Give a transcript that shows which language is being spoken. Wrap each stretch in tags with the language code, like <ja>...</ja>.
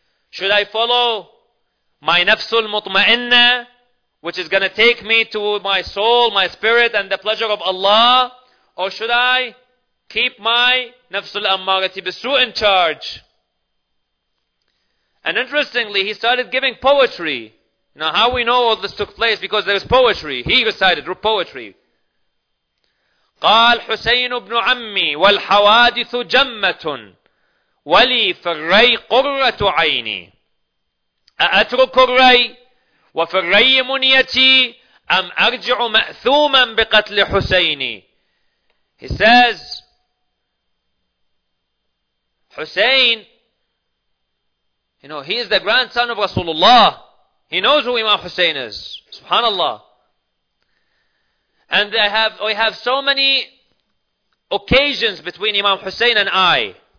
<en>Should I follow my nafsul mutma'inna, which is going to take me to my soul, my spirit, and the pleasure of Allah? Or should I keep my nafsul ammarati bisu in charge?" And interestingly, he started giving poetry. Now, how we know all this took place? Because there is poetry. He recited poetry.</en> <ar>قال حسين بن عمي والحوادث جمة ولي في الري قرة عيني أأترك الري وفي الري منيتي أم أرجع مأثوما بقتل حسيني.</ar> <en>He says, Hussein, you know, he is the grandson of Rasulullah. He knows who Imam Hussein is. Subhanallah. And we have so many occasions between Imam Hussein and I.</en>